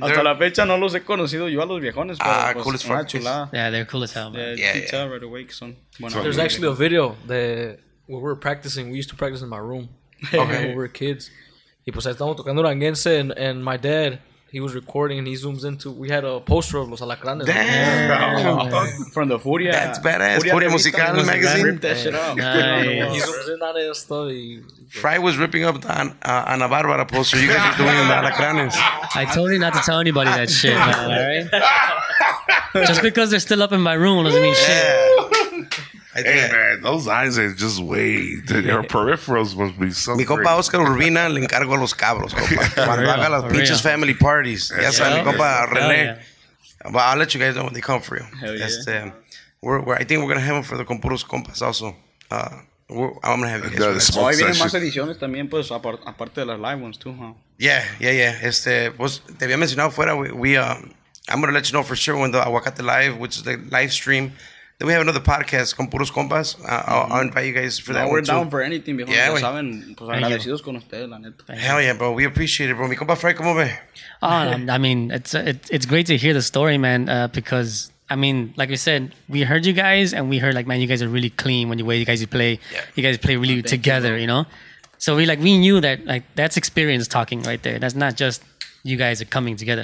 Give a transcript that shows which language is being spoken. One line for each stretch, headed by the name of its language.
Spanish: Hasta la fecha no los he conocido yo a los viejones, pero pues,
English: cool as
Spanish: una fuck chulada.
English: Is... Yeah, they're cool as hell, man. Yeah, yeah. Tell right away, son. Bueno, there's actually a video that we were practicing. We used to practice in my room okay. when we were kids.
Spanish: Y pues estamos tocando duranguense
English: and my dad... He was recording and he zooms into. We had a poster of Los Alacranes. Damn! Like, from the Furia. That's badass. Furia Musical magazine. Ripped that shit up. Nice. He zooms in on that story. Fry was ripping up the Ana Barbara poster. You guys are doing in the Alacranes. I told you not to tell anybody that shit, man. All right? Just because they're still up in my room doesn't mean shit. Hey, man, those eyes are just way... Their peripherals must be so
Spanish: Mi compa Oscar Urbina le encargo a los cabros, compa. Cuando haga las pinches family parties. Ya sabe, mi compa René.
English: But I'll let you guys know when they come for you. Hell yeah. I think we're going to have them for the Compuros Compas also. I'm going to have you guys.
Spanish: Hoy
English: Session.
Spanish: Vienen más ediciones también, pues, aparte de las
English: live ones, too, huh? Yeah, yeah, yeah.
Spanish: Pues, te había mencionado fuera,
English: I'm going to let you know for sure when the Aguacate Live, which is the live stream... Then we have another podcast, Con Puros Compas. I'll invite you guys for that we're one down too. For anything, viejo. Yeah,
Spanish: ya saben, pues agradecidos con ustedes, la neta.
English: Hell yeah, bro. We appreciate it, bro.
Spanish: Mi compa Fry, ¿cómo ve?
English: I mean, it's great to hear the story, man, because, I mean, like we said, we heard you guys, and we heard, like, man, you guys are really clean when the way you guys play. Yeah. You guys play really thank together, you know? So we knew that, like, that's experience talking right there. That's not just you guys are coming together.